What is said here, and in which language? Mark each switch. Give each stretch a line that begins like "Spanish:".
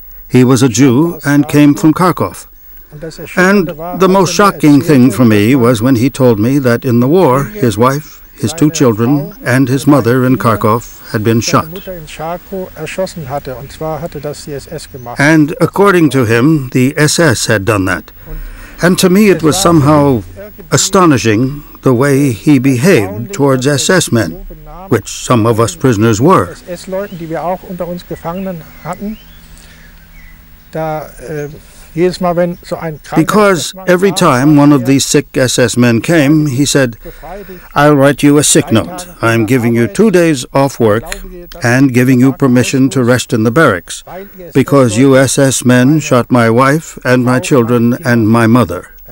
English: He was a Jew and came from Kharkov. And the most shocking thing for me was when he told me that in the war, his wife, his two children, and his mother in Kharkov had been shot. And according to him, the SS had done that. And to me, it was somehow astonishing the way he behaved towards SS men, which some of us prisoners were.
German: SS-Leuten, die wir auch unter uns gefangenen hatten, da
English: Because every time one of these sick SS men came, he said, I'll write you a sick note. I'm giving you 2 days off work and giving you permission to rest in the barracks, because you SS men shot my wife and my children and my mother.